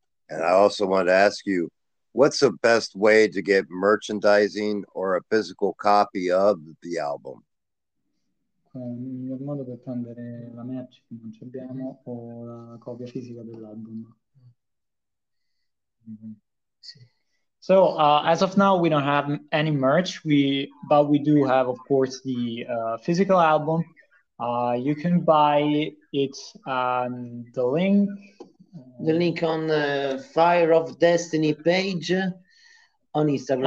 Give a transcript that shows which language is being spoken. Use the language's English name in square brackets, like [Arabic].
[English] And I also want to ask you, what's the best way to get merchandising or a physical copy of the album? [Italian] Il miglior modo per prendere la merce che non ci abbiamo o la copia fisica dell'album. [English] So as of now, we don't have any merch. But we do have, of course, the physical album. You can buy it on the link. The link on the Fire of Destiny page on Instagram.